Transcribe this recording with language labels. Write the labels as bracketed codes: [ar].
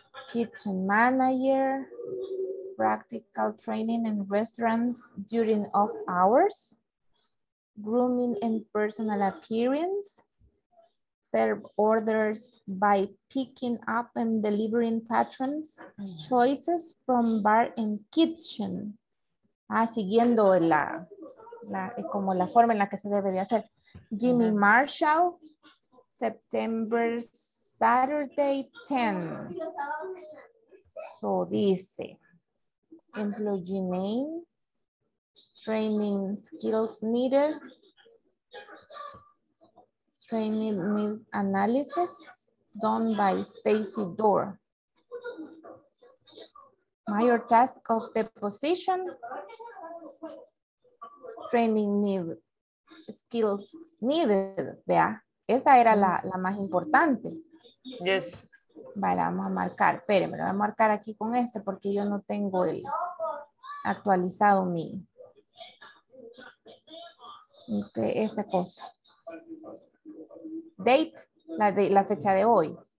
[en] Kitchen manager, practical training in restaurants during off hours. Grooming and personal appearance, serve orders by picking up and delivering patrons, choices from bar and kitchen. [es] Siguiendo la como la forma en la que se debe de hacer. [en] Jimmy Marshall, September Saturday 10. So [es] dice, [en] employee name, training skills needed, training needs analysis done by Stacy Dorr. Major task of the position, training needs, skills needed, [es] vea. Esa era la más importante. [en] Yes. [es] Vale, vamos a marcar. Espérenme, lo voy a marcar aquí con este porque yo no tengo el actualizado mi... esta cosa. Date, la fecha de hoy.